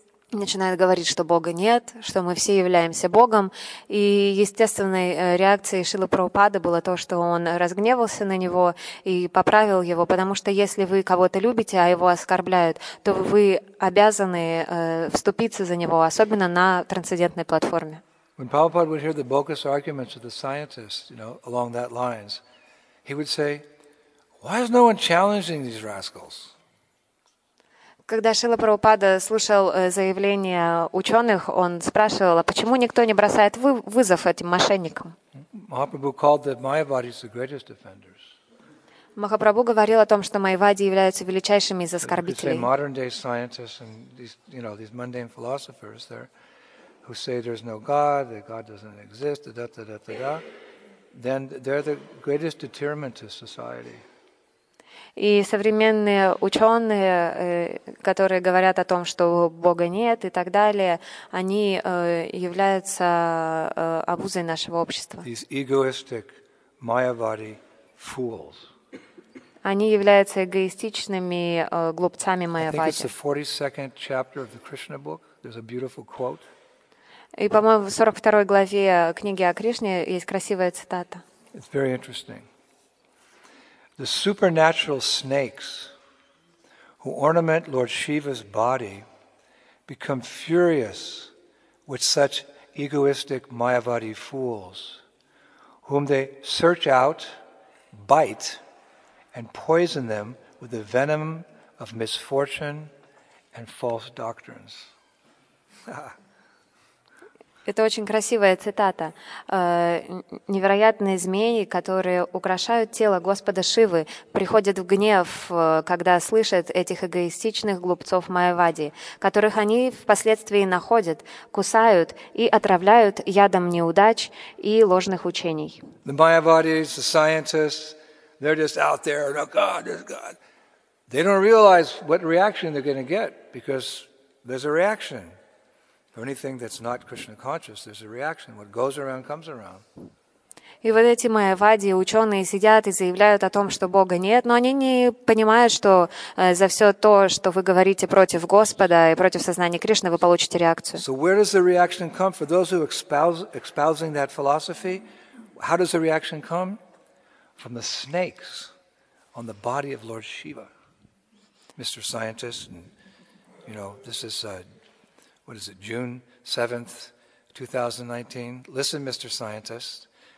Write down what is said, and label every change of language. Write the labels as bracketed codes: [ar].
[ru] начинает говорить, что Бога нет, что мы все являемся Богом. И естественной реакцией Шрилы Прабхупады было то, что он разгневался на него и поправил его, потому что если вы кого-то любите, а его оскорбляют, то вы обязаны вступиться за него, особенно на трансцендентной платформе. [en] When Prabhupada would hear the bogus arguments of the scientists, you know, along that lines, he would say, "Why is no one challenging these rascals?" [ru] Когда Шрила Прабхупада слушал заявления ученых, он спрашивал, а почему никто не бросает вызов этим мошенникам? [en] Mahaprabhu called the Mayavadis the greatest offenders. [ru] Махапрабху говорил о том, что Майявади являются величайшими из оскорбителей. [en] They say modern-day scientists and these, you know, these mundane philosophers there. Who say there's no God, that God doesn't exist, da da da da da, then they're the greatest deterrent to society. [ru] И современные ученые, которые говорят о том, что Бога нет и так далее, они являются обузой нашего общества. [en] These egoistic Mayavadi fools. [ru] Они являются эгоистичными глупцами Майявади. [en] I think it's the 42nd chapter of the Krishna book. There's a beautiful quote. [ru] И, по-моему, в 42 главе книги о Кришне есть красивая цитата. [en] It's very interesting. The supernatural snakes who ornament Lord Shiva's body become furious with such egoistic Mayavadi fools, whom they search out, bite, and poison them with the venom of misfortune and false doctrines. [ru] Это очень красивая цитата. Невероятные змеи, которые украшают тело Господа Шивы, приходят в гнев, когда слышат этих эгоистичных глупцов Майявади, которых они впоследствии находят, кусают и отравляют ядом неудач и ложных учений. [en] The Mayavadis, the scientists, they're just out there, no God, there's God. They don't realize what reaction they're going to get, because there's a reaction. Anything that's not Krishna conscious, there's a reaction. What goes around comes around. [ru] И вот эти майявади ученые сидят и заявляют о том, что Бога нет, но они не понимают, что за все то, что вы говорите против Господа и против сознания Кришны, вы получите реакцию. [en] So where does the reaction come for those who espousing that philosophy? How does the reaction come from the snakes on the body of Lord Shiva, Mr. Scientist? And, you know, this is. What is it, June 7th, 2019? Listen, Mr. Scientist.